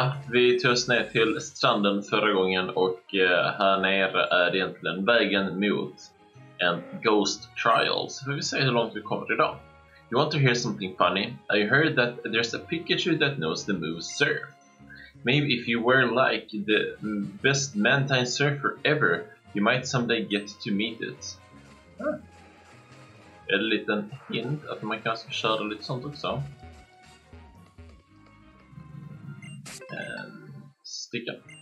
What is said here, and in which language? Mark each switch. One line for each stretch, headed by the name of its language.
Swedish: Vi tog oss ner till stranden förra gången och här nere är egentligen vägen mot en Ghost Trials. Vi får se hur långt vi kommer idag.
English: You want to hear something funny? I heard that there's a Pikachu that knows the move Surf. Maybe if you were like the best Mantine Surfer ever, you might someday get to meet it.
Swedish: Är det en liten hint att man kanske kör lite sånt också? Sticka.